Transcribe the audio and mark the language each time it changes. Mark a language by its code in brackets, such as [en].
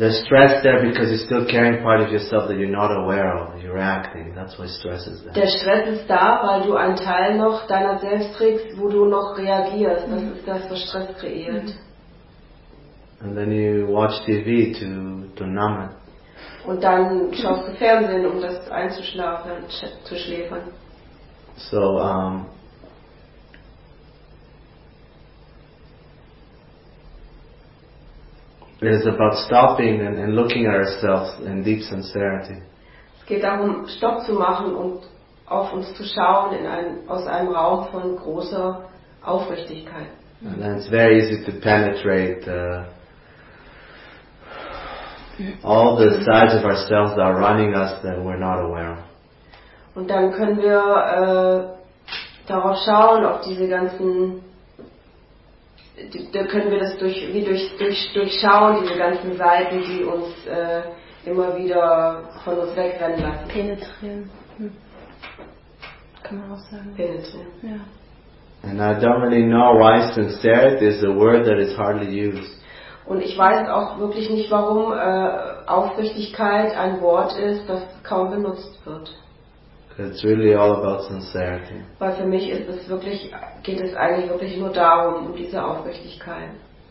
[en] There's stress there because you're still carrying part of yourself that you're not aware of. You're reacting. That's why stress is there. [de] Der Stress ist da, weil du einen Teil noch deiner selbst trägst, wo du noch reagierst. Das ist das, was Stress kreiert. [en] And then you watch TV to numb it. [de] Und dann schaust du Fernsehen, um das einzuschlafen, zu schläfern. [en] So, it is about stopping and looking at ourselves in deep sincerity. [de] Es geht darum, Stopp zu machen und auf uns zu schauen in ein, aus einem Raum von großer Aufrichtigkeit. [en] And then it's very easy to penetrate all the sides of ourselves that are running us that we're not aware of. [de] Und dann können wir darauf schauen, auf diese ganzen. Da können wir das durchschauen, diese ganzen Seiten, die uns immer wieder von uns wegrennen lassen. Penetrieren. Kann man auch sagen. Penetrieren. Ja. [en] And I don't really know why sincerity is a word that is hardly used. [de] Und ich weiß auch wirklich nicht, warum Aufrichtigkeit ein Wort ist, das kaum benutzt wird. [en] It's really all about sincerity. [de] Weil für mich ist es wirklich, geht es eigentlich wirklich nur darum, um diese Aufrichtigkeit.